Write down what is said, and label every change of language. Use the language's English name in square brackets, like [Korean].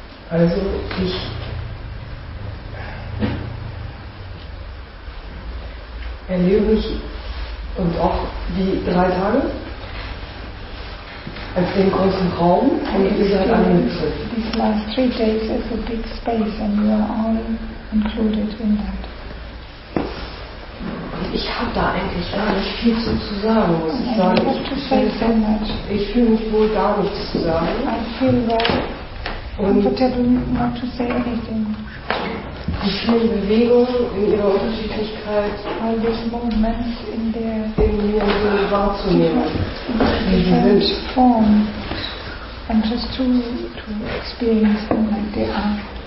[German] Also ich erlebe mich und auch die drei Tage als den großen Raum und ihr seid alle mitgezählt. [English] These last three days is a big space and you are all included in that. [German] Ich habe da eigentlich gar nicht viel zu sagen, muss ich sagen. Ich fühle mich wohl, gar nichts zu sagen. [English] I feel well comfortable not to say anything. [German] Die vielen Bewegungen in ihrer Unterschiedlichkeit, [English] all these movements [German] in der wahrzunehmen, wie sie sind. [English] Form and just to experience them like they are.